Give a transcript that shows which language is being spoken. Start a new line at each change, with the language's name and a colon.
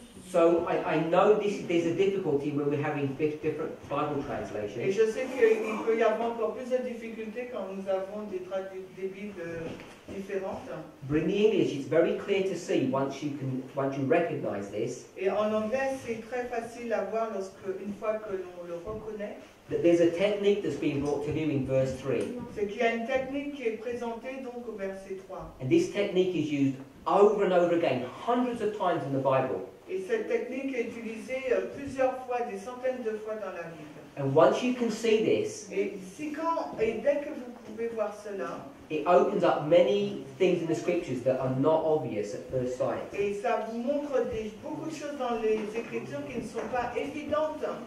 English: So I know there's a difficulty when we're having different Bible translations.
French: Et je sais qu'il peut y avoir encore plus de difficultés quand nous avons des Bibles différentes.
English: But in the English, it's very clear to see once you recognize this.
French: Et en anglais, c'est très facile à voir lorsque une fois que l'on le reconnaît.
English: That there's a technique that's being brought to view in verse 3.
French: C'est qu'il y a une technique qui est présentée donc au verset 3.
English: And this technique is used over and over again, hundreds of times in the Bible.
French: Et cette technique est utilisée plusieurs fois, des centaines de fois dans la Bible.
English: And once you can see this,
French: et dès que vous pouvez voir cela,
English: it opens up many things in the scriptures that are not obvious at first sight.
French: Et ça vous montre beaucoup de choses dans les écritures qui ne sont pas évidentes.